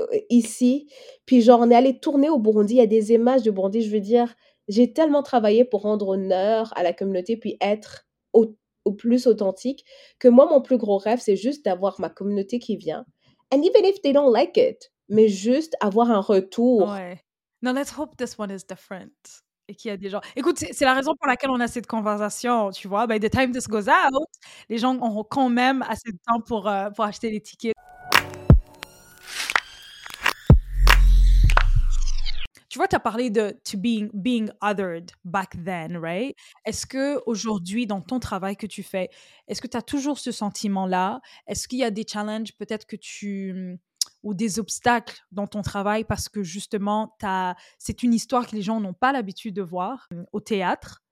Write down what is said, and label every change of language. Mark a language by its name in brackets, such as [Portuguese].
[French] Ici, puis genre on est allé tourner au Burundi, il y a des images du Burundi, je veux dire, j'ai tellement travaillé pour rendre honneur à la communauté puis être au plus authentique que moi mon plus gros rêve c'est juste d'avoir ma communauté qui vient [English] and even if they don't like it, [French] mais juste avoir un retour. Ouais. [English] Now let's hope this one is different. [French] Et qu'il y a des gens. Écoute, c'est la raison pour laquelle on a cette conversation, tu vois, [English] by the time this goes out, [French] les gens auront quand même assez de temps pour acheter les tickets. Tu vois, tu as parlé de [English] to being othered back then, right? [French] Est-ce qu'aujourd'hui, dans ton travail que tu fais, est-ce que tu as toujours ce sentiment-là? Est-ce qu'il y a des challenges peut-être que tu... ou des obstacles dans ton travail parce que justement, c'est une histoire que les gens n'ont pas l'habitude de voir au théâtre?